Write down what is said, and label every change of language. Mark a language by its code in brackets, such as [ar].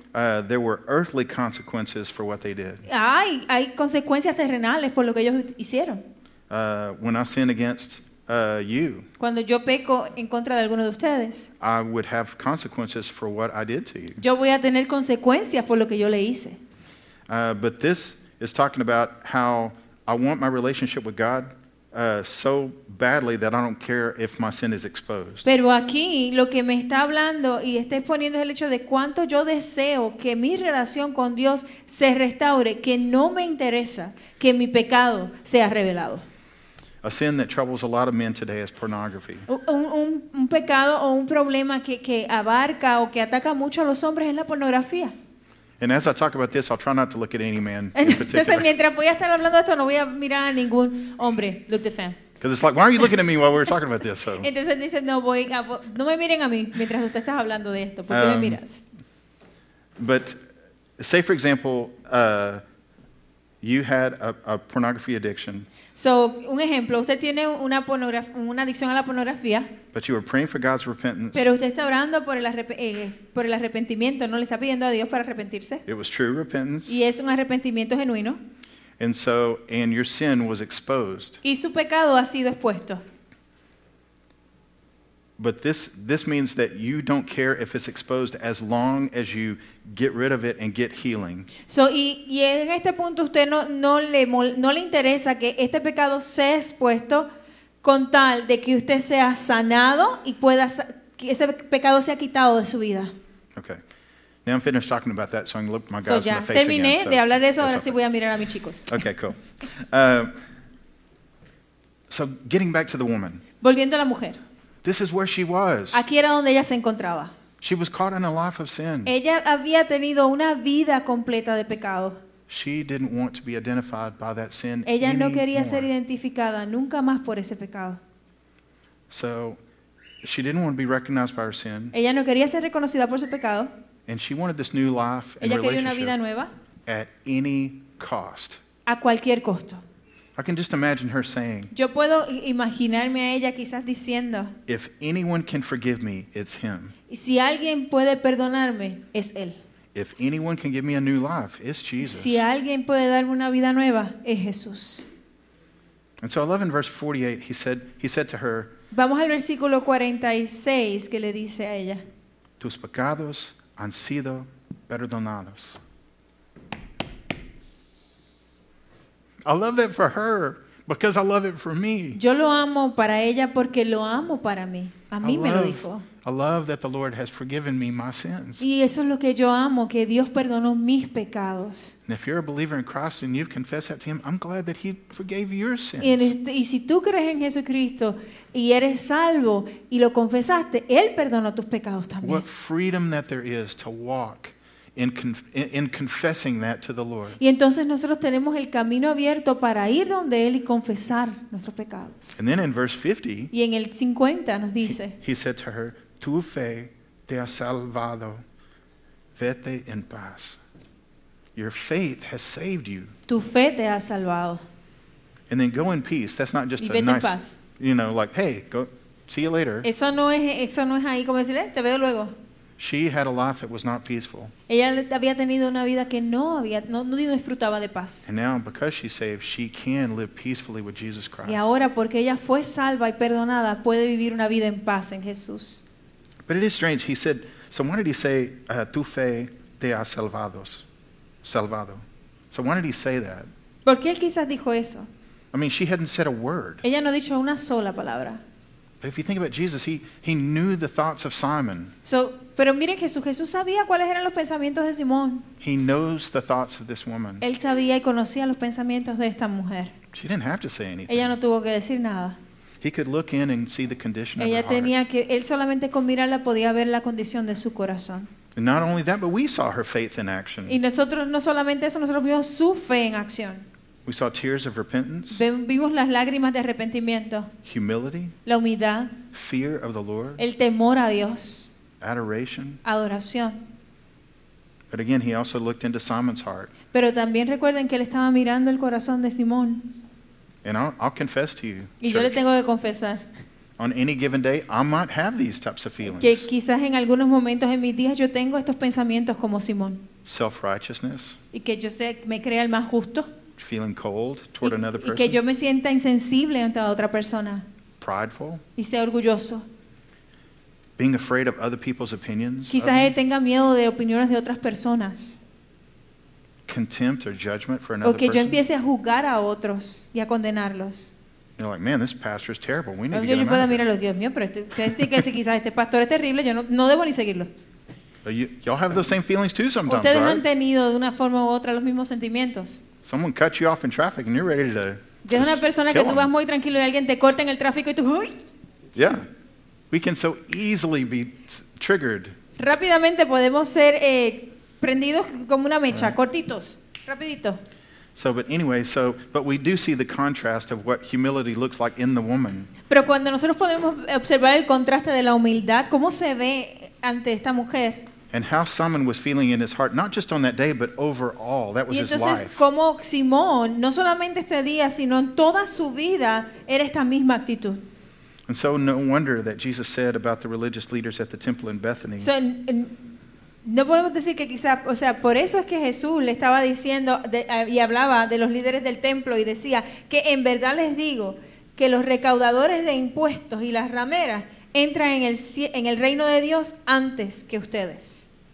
[en] there were earthly consequences for what they did. [es] Hay consecuencias terrenales por lo que ellos hicieron. [en] When I sin against you. [es] Cuando yo peco en contra de alguno de ustedes, [en] I would have consequences for what I did to you. [es] Yo voy a tener consecuencias por lo que yo le hice. [en] But this is talking about how I want my relationship with God so badly that I don't care if my sin is exposed. [es] Pero aquí lo que me está hablando y está exponiendo es el hecho de cuánto yo deseo que mi relación con Dios se restaure, que no me interesa que mi pecado sea revelado. [en] A sin that troubles a lot of men today is pornography. [es] Un pecado o un problema que abarca o que ataca mucho a los hombres es la pornografía. [en] And as I talk about this, I'll try not to look at any man in particular. [es] Entonces, mientras voy a estar hablando de esto, no voy a mirar a ningún hombre. [en] Look the fan. Because it's like, why are you looking at me while we're talking about this? So. [es] Entonces dice, no me miren a mí mientras usted está hablando de esto. ¿Por qué me miras? [en] But say, for example, you had a pornography addiction. [es] So, un ejemplo, usted tiene una adicción a la pornografía. [en] But you were praying for God's repentance. [es] Pero usted está orando por el arrepentimiento, no le está pidiendo a Dios para arrepentirse. [en] It was true repentance. [es] Y es un arrepentimiento genuino. [en] And your sin was exposed. [es] Y su pecado ha sido expuesto. [en] But this means that you don't care if it's exposed as long as you get rid of it and get healing. [es] So y en este punto usted no le interesa que este pecado sea expuesto con tal de que usted sea sanado y pueda que ese pecado sea quitado de su vida. [en] Okay. Now I'm finished talking about that, so I'm going to look my guys in the face again. [es] Terminé de hablar de eso, ahora sí voy a mirar a mis chicos. [en] Okay, cool. So getting back to the woman. [es] Volviendo a la mujer. [en] This is where she was. [es] Aquí era donde ella se encontraba. [en] She was caught in a life of sin. [es] Ella había tenido una vida completa de pecado. [en] She didn't want to be identified by that sin. [es] Ella [en] anymore. [es] No quería ser identificada nunca más por ese pecado. [en] So she didn't want to be recognized by her sin. [es] Ella no quería ser reconocida por su pecado. [en] And she wanted this new life [es] ella [en] and [es] quería una vida nueva. [en] At any cost. [es] A cualquier costo. [en] I can just imagine her saying. [es] Yo puedo imaginarme a ella quizás diciendo. [en] If anyone can forgive me, it's him. [es] Y si alguien puede perdonarme, es él. [en] If anyone can give me a new life, it's Jesus. [es] Si alguien puede darme una vida nueva, es Jesús. [en] And so I love in verse 48, he said to her. [es] Vamos al versículo 46 que le dice a ella. Tus pecados han sido perdonados. [en] I love that for her because I love it for me. [es] Yo lo amo para ella porque lo amo para mí. A mí me lo dijo. [en] I love that the Lord has forgiven me my sins. [es] Y eso es lo que yo amo, que Dios perdonó mis pecados. [en] And if you're a believer in Christ and you've confessed that to Him, I'm glad that He forgave your sins. [es] Y si tú crees en Jesucristo y eres salvo y lo confesaste, Él perdonó tus pecados también. [en] What freedom that there is to walk in confessing that to the Lord. [es] Y entonces nosotros tenemos el camino abierto para ir donde Él y confesar nuestros pecados. [en] And then in verse 50, [es] y en el 50 nos dice, [en] he said to her, [es] tu fe te ha salvado, vete en paz. [en] Your faith has saved you. [es] Tu fe te ha salvado. [en] And then go in peace. That's not just [es] y vete [en] a nice, [es] en paz. [en] You know, like, hey, go, see you later. [es] Eso no es ahí como decirle, te veo luego. [en] She had a life that was not peaceful. [es] Ella había tenido una vida que no disfrutaba de paz. [en] And now, because she's saved, she can live peacefully with Jesus Christ. [es] Y ahora, porque ella fue salva y perdonada, puede vivir una vida en paz en Jesús. [en] But it is strange. He said, so why did he say, [es] tu fe te ha salvado? [en] So why did he say that? [es] ¿Por qué él quizás dijo eso? [en] I mean, she hadn't said a word. [es] Ella no ha dicho una sola palabra. [en] But if you think about Jesus, he knew the thoughts of Simon. [es] So, pero miren, Jesús sabía cuáles eran los pensamientos de Simón. [en] He knows the thoughts of this woman. [es] Él sabía y conocía los pensamientos de esta mujer. [en] She didn't have to say anything. [es] Ella no tuvo que decir nada. [en] He could look in and see the condition [es] ella [en] of her [es] tenía [en] heart. [es] Que él solamente con mirarla podía ver la condición de su corazón. [en] And not only that, but we saw her faith in action. [es] Y nosotros no solamente eso, nosotros vimos su fe en acción. [en] We saw tears of repentance. [es] Vimos las lágrimas de arrepentimiento. [en] Humility. [es] La humildad. [en] Fear of the Lord. [es] El temor a Dios. [en] Adoration. [es] Adoración. [en] But again, he also looked into Simon's heart. [es] Pero también recuerden que él estaba mirando el corazón de Simón. [en] And I'll confess to you. [es] Y church, yo le tengo que confesar. [en] On any given day, I might have these types of feelings. [es] Que quizás en algunos momentos en mis días yo tengo estos pensamientos como Simón. [en] Self-righteousness. [es] Y que yo sea, me crea el más justo. [en] Feeling cold toward another person. [es] Y que yo me sienta insensible ante otra persona. [en] Prideful. [es] Y sea orgulloso. [en] Being afraid of other people's opinions. [es] Quizás él tenga miedo de opiniones de otras personas. [en] Contempt or judgment for another [es] o que [en] person. [es] Yo empiece a juzgar a otros y a condenarlos. [en] You're like, man, this pastor is terrible. We need [es] pero [en] to get [es] yo [en] him out. [es] Yo mirar a los Dios mío, pero quizás este pastor es terrible. Yo no debo ni seguirlo. [en] Y'all have those same feelings too sometimes. [es] Ustedes [en] right? [es] Han tenido de una forma u otra los mismos sentimientos. [en] Someone cuts you off in traffic and you're ready to. [es] Yo una persona que tú vas muy tranquilo y alguien te corta en el tráfico y tú. ¡Uy! [en] Yeah. We can so easily be triggered. [es] Rápidamente podemos ser prendidos como una mecha, right. Cortitos, rapidito. [en] But we do see the contrast of what humility looks like in the woman. [es] Pero cuando nosotros podemos observar el contraste de la humildad, ¿cómo se ve ante esta mujer? [en] And how Simon was feeling in his heart, not just on that day, but overall. That was [es] entonces, [en] his life. [es] Y entonces, como Simón, no solamente este día, sino en toda su vida, era esta misma actitud. [en] And so no wonder that Jesus said about the religious leaders at the temple in Bethany. [es] So, no podemos decir que quizá, o sea, por eso es que Jesús le estaba diciendo y hablaba de los líderes del templo y decía que en verdad les digo que los recaudadores de impuestos y las rameras entra en el reino de Dios antes que ustedes.